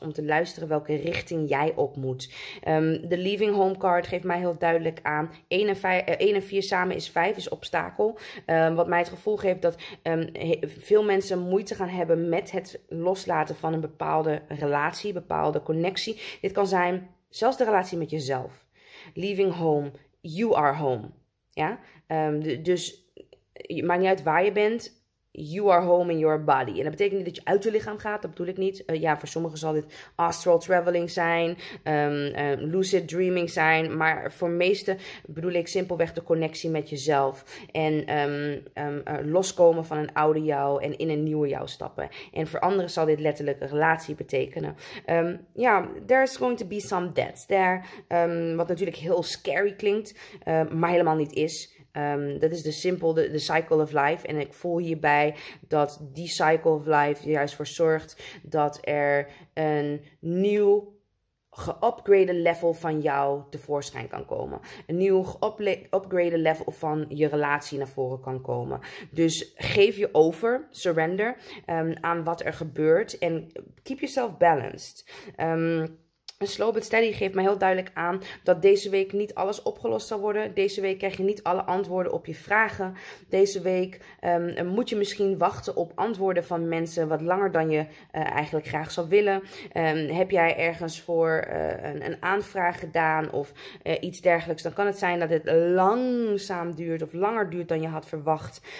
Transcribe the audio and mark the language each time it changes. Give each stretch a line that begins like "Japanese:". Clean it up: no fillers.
Dutch: Om te luisteren welke richting jij op moet. De Leaving Home card geeft mij heel duidelijk aan. 1 en 4 samen is 5, is obstakel. Wat mij het gevoel geeft dat veel mensen moeite gaan hebben met het loslaten van een bepaalde relatie, bepaalde connectie. Dit kan zijn zelfs de relatie met jezelf.
English: Leaving home, you are home.
Dutch: Ja? Dus het maakt niet uit waar je bent.
English: You are home in your body.
Dutch: En dat betekent niet dat je uit je lichaam gaat. Dat bedoel ik niet. Voor sommigen zal dit astral traveling zijn. Lucid dreaming zijn. Maar voor meesten bedoel ik simpelweg de connectie met jezelf. En loskomen van een oude jou. En in een nieuwe jou stappen. En voor anderen zal dit letterlijk een relatie betekenen.
English: There's going to be some deaths there.
Dutch: Wat natuurlijk heel scary klinkt. Maar helemaal niet is. Dat is de simpel, de cycle of life. En ik voel hierbij dat die cycle of life er juist voor zorgt dat er een nieuw geupgraded level van jou tevoorschijn kan komen. Een nieuw geupgraded level van je relatie naar voren kan komen. Dus geef je over, surrender, aan wat er gebeurt.
English: En keep yourself balanced.
Dutch: Een slow but steady geeft me heel duidelijk aan dat deze week niet alles opgelost zal worden. Deze week krijg je niet alle antwoorden op je vragen. Deze week moet je misschien wachten op antwoorden van mensen wat langer dan je eigenlijk graag zou willen. Heb jij ergens voor een aanvraag gedaan of iets dergelijks, dan kan het zijn dat het langzaam duurt of langer duurt dan je had verwacht.